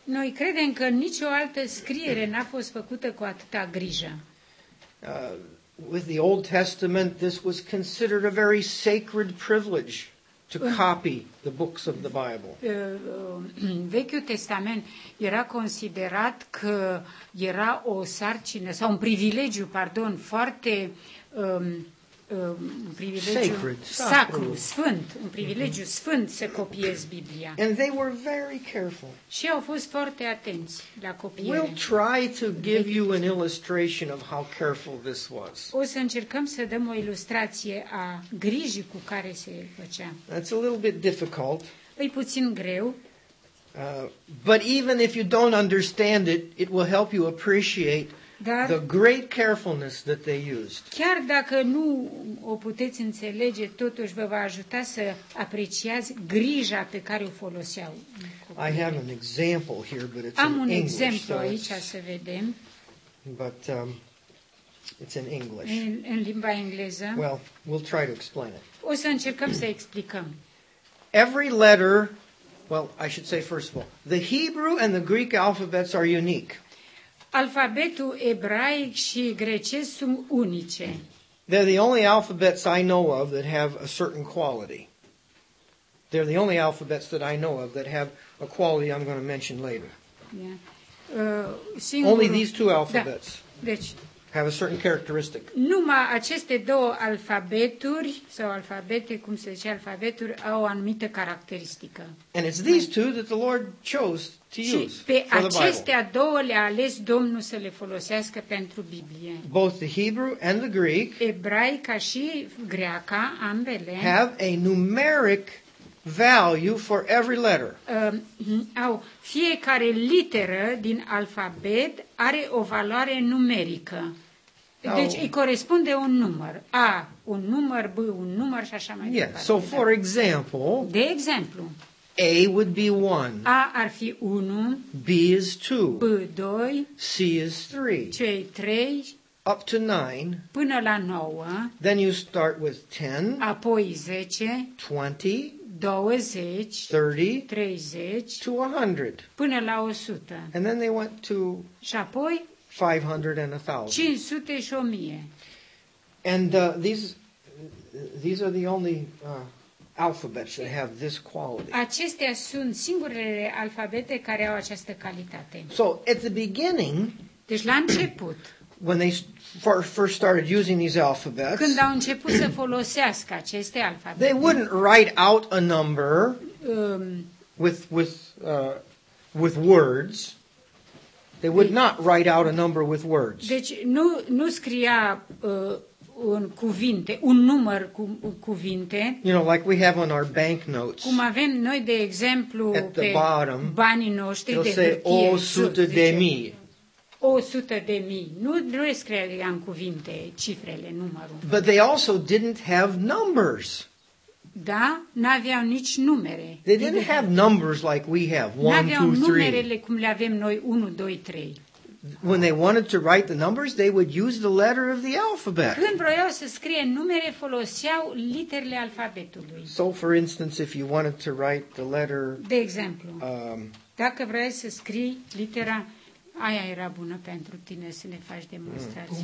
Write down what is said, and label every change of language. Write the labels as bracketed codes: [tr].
[ro] Noi credem că nicio altă scriere n-a fost făcută cu atâta grijă. [en] With the Old Testament, this was considered a very sacred privilege to copy the books of the Bible. [ro] Vechiul Testament era considerat că era o sarcină sau un privilegiu, pardon, foarte un privilegiu [en] sacred, [ro] sacru, sfânt, un privilegiu sfânt să copiezi Biblia. [en] And they were very careful. [ro] Și au fost foarte atenți la copiere. [en] We'll try to give you an illustration of how careful this was. [ro] O să încercăm să dăm o ilustrație a grijii cu care se făcea. [en] That's a little bit difficult. [ro] E puțin greu. [en] But even if you don't understand it, it will help you appreciate [ro] dar [en] the great carefulness that they used. [ro] Chiar dacă nu o puteți înțelege, totuși vă va ajuta să apreciați grija pe care o foloseau. [en] I have an example here, but it's [ro] am Am un exemplu aici, să vedem. [en] But it's in English. [ro] În limba engleză. [en] Well, we'll try to explain it. [ro] O să încercăm să explicăm. [en] Every letter, well, I should say first of all, the Hebrew and the Greek alphabets are unique. [ro] Alfabetul ebraic și grecesc sunt unice. [en] They're the only alphabets I know of that have a certain quality. They're the only alphabets that I know of that have a quality I'm going to mention later. [ro] Singurul, [en] only these two alphabets [ro] da, deci, [en] have a certain characteristic. [ro] Numai aceste două alfabeturi, sau alfabete, cum se zice, alfabeturi, au o anumită caracteristică. [en] And it's these two that the Lord chose to use for the Bible. [ro] Și pe acestea două le-a ales Domnul să le folosească pentru Biblie. [en] Both the Hebrew and the Greek, [ro] ebraica și greaca, ambele, [en] have a numeric value for every letter. [ro] Au fiecare literă din alfabet are o valoare numerică. [en] Now, [ro] deci îi corespunde un număr. A, un număr, B, un număr și așa mai [en] yeah, [ro] departe. [en] So for example, [ro] de exemplu, [en] A would be 1. [ro] A ar fi 1. [en] B is 2. [ro] B 2. [en] C is 3. [ro] C 3. [en] Up to 9. [ro] Până la 9. [en] Then you start with 10. [ro] Apoi 10. [en] 20. [ro] 20, [en] 30, [ro] 30, [en] to 100, [ro] până la 100. [en] And then they went to 500 and 1,000. [ro] 500 și 1,000. [en] And these are the only alphabets that have this quality. [ro] Acestea sunt singurele alfabete care au această calitate. [en] So at the beginning, [ro] deci la început, [en] when they first started using these alphabets, [ro] când au început să folosească aceste alfabete, [en] they wouldn't write out a number with words. They would not write out a number with words. [ro] Deci nu scria un cuvinte, un număr cu cuvinte. [en] You know, like we have on our bank notes. [ro] Cum avem noi de exemplu [en] at the [ro] pe [en] bottom, [ro] banii noștri de hârtie. O sută de mii. O sută de mii. Nu trebuie să scrie în cuvinte cifrele, numărul. [en] But they also didn't have numbers. [ro] Da, n-aveau nici numere. [en] They didn't have numbers like we have. 1 2 3. [ro] N-aveau numerele cum le avem noi, 1 2 3. [en] When they wanted to write the numbers, they would use the letter of the alphabet. [ro] Când vroiau să scrie numere, foloseau literele alfabetului. [en] So for instance, if you wanted to write the letter, [ro] de exemplu, dacă vrei să scrii litera aia, era bună pentru tine să ne faci demonstrații.